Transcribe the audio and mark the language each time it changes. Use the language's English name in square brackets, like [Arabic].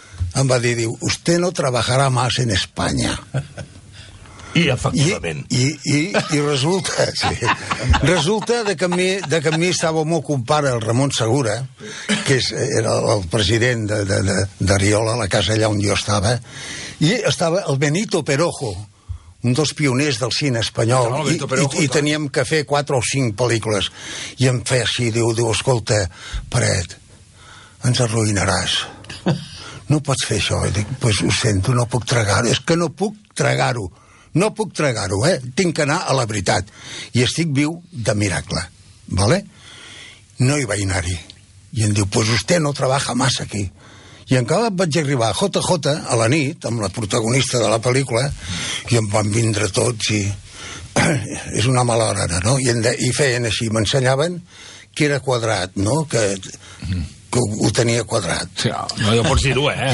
[Catalan] em va dir, diu, [Spanish] usted no trabajará más en España. [Catalan] I efectivament. I resulta, sí, resulta que a mi estava el meu compare, el Ramon Segura, que era el president de Riola, la casa allà on jo estava, i estava el Benito Perojo, un dels pioners del cine espanyol, i teníem que fer 4 o 5 pel·lícules. I em feia així, diu, escolta, Peret, ens arruïnaràs. No pots fer això. Dic, pues ho sento, no puc tragar-ho. És que no puc tragar-ho. No puc tregar-ho, eh? Tinc que anar a la veritat. I estic viu de miracle, ¿vale? No hi vaig anar-hi. I em diu, [Spanish] pues usted no trabaja más aquí. [Catalan] I encara vaig arribar a JJ a la nit, amb la protagonista de la pel·lícula, i em van vindre tots i... És una mala hora, no? I, i feien així, m'ensenyaven que era quadrat, no? Que... que ho tenia quadrat. Sí, no, jo pots dir-ho, eh?